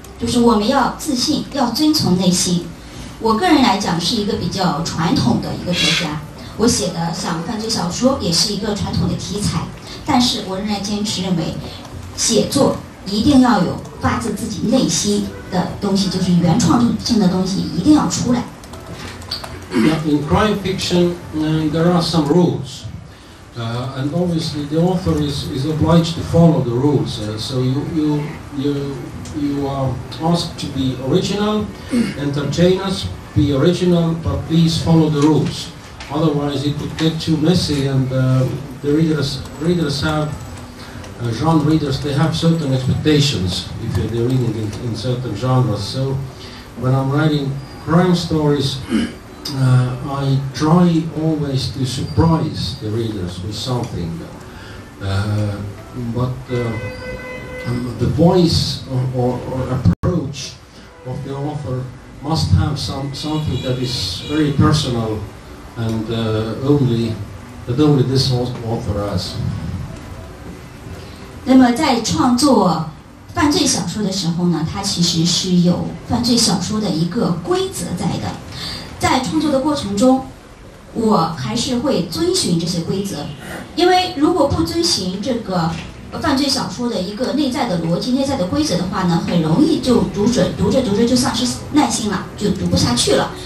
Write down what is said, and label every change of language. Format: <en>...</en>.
<zh>就是我们要自信，要遵从内心。我个人来讲是一个比较传统的一个作家，我写的像犯罪小说也是一个传统的题材，但是我仍然坚持认为写作一定要有发自自己内心的东西，就是原创性的东西一定要出来。</zh> <en>In crime fiction, there are some rules, and obviously the author is obliged to follow the rules. So you are asked to be original, entertain us, be original, but please follow the rules. Otherwise, it would get too messy, and the readers have. Genre readers, they have certain expectations if they're reading in certain genres. So when I'm writing crime stories, I try always to surprise the readers with something. The voice or approach of the author must have something that is very personal and only this author has.</en> <zh>那么在创作犯罪小说的时候呢，它其实是有犯罪小说的一个规则在的。在创作的过程中，我还是会遵循这些规则，因为如果不遵循这个犯罪小说的一个内在的逻辑、内在的规则的话呢，很容易就读着就丧失耐心了，就读不下去了。</zh>